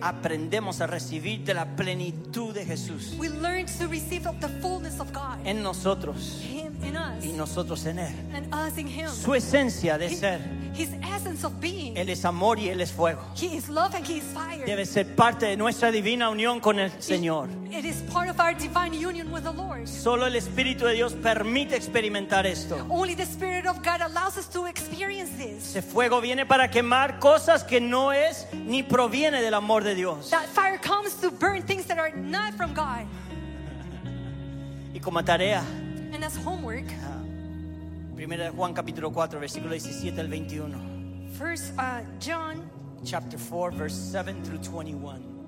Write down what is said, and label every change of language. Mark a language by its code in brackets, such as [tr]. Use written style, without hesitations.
[es] aprendemos a recibir de la plenitud de Jesús. [en] We learn to receive of the fullness of God. [es] En nosotros, [en] Him in us, [es] y nosotros en Él. [en] And us in Him. [es] Su esencia de ser, [en] His essence of being. [es] Él es amor y Él es fuego. [en] He is love and He is fire. [es] Debe ser parte de nuestra divina unión con el Señor. [en] It is part of our divine union with the Lord. [es] Solo el Espíritu de Dios permite experimentar esto. [en] Only the Spirit of God allows us to experience this. [es] Ese fuego viene para quemar cosas que no es ni proviene del amor de Dios. [en] That fire comes to burn things that are not from God. [es] Y como tarea. [en] And as homework. [es] 1 Juan capítulo 4 versículo 17 al 21. [en] First John chapter 4 verse 7 through 21.